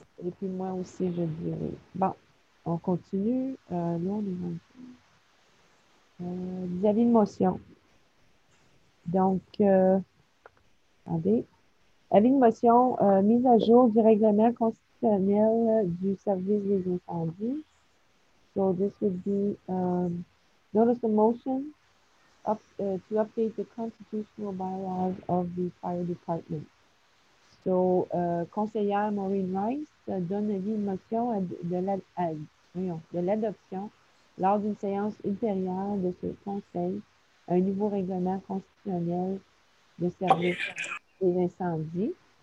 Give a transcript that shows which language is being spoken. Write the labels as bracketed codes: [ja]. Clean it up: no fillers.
[fr] Et puis moi aussi, je dirais. Bon, on continue. Vous avez une motion. Donc, attendez. Avis de motion, mise à jour du règlement constitutionnel du service des incendies. [en] So, this would be notice of motion to update the constitutional bylaws of the fire department. [fr] So, conseillère Maureen Rice donne avis de motion de l'adoption lors d'une séance ultérieure de ce conseil à un nouveau règlement constitutionnel de service des incendies.